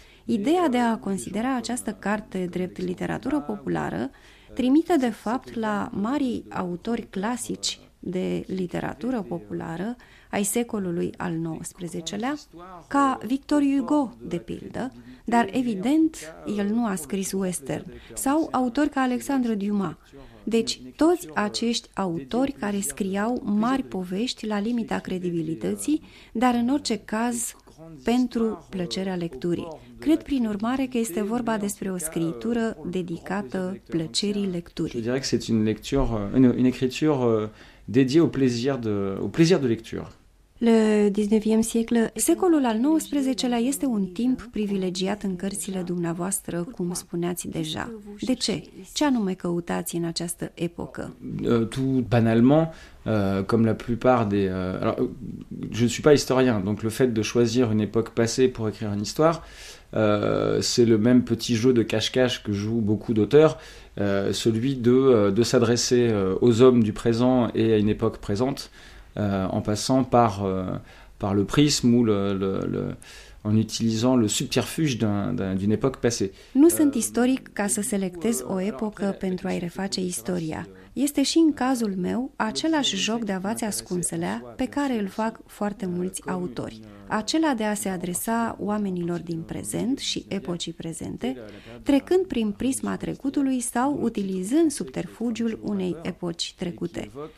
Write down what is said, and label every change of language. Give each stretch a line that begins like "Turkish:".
Romanian: Ideea de a considera această carte drept literatură populară trimite de fapt la marii autori clasici de literatură populară ai secolului al XIX-lea, ca Victor Hugo, de pildă, dar evident el nu a scris western, sau autori ca Alexandre Dumas. Deci toți acești autori care scriau mari povești la limita credibilității, dar în orice caz pentru plăcerea lecturii. Cred prin urmare că este vorba despre o scriitură dedicată plăcerii lecturii.
French: Je dirais que c'est une lecture, une écriture dédiée au plaisir de lecture. Le 19e siècle,
Romanian: secolul al XIX-lea este un timp privilegiat în cărțile dumneavoastră, cum spuneați deja. De ce? Ce anume căutați în această epocă?
French: Tout banalement, comme la plupart des alors je ne suis pas historien, donc le fait de choisir une époque passée pour écrire une histoire, c'est le même petit jeu de cache-cache que jouent beaucoup d'auteurs, celui de s'adresser aux hommes du présent et à une époque présente. En passant par, par le prisme ou en utilisant le subterfuge d'une époque passée.
Romanian: Nu sunt istoric ca să selectez o epocă pentru a-i reface istoria. Este și în cazul meu același joc de a vați ascunselea pe care îl fac foarte mulți autori. Acela de a se adresa oamenilor din prezent și epocii prezente, trecând prin prisma trecutului sau utilizând subterfugiul unei epoci trecute.